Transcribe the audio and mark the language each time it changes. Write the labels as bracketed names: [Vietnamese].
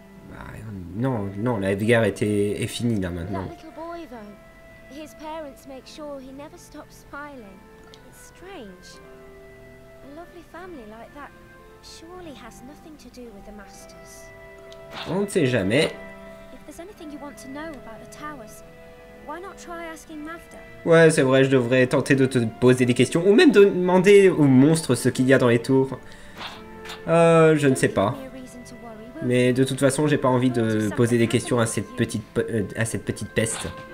[French] Bah, non, non, la guerre est finie là maintenant. [English] His parents make sure he never stops smiling. It's strange. A lovely family like that surely has nothing to do with the masters. [French] On ne sait jamais. [English] If there's anything you want to know about the towers, why not try asking Mavda? [French] Ouais, c'est vrai, je devrais tenter de te poser des questions ou même de demander aux monstres ce qu'il y a dans les tours. Je ne sais pas. Mais de toute façon, j'ai pas envie de poser des questions à cette petite peste.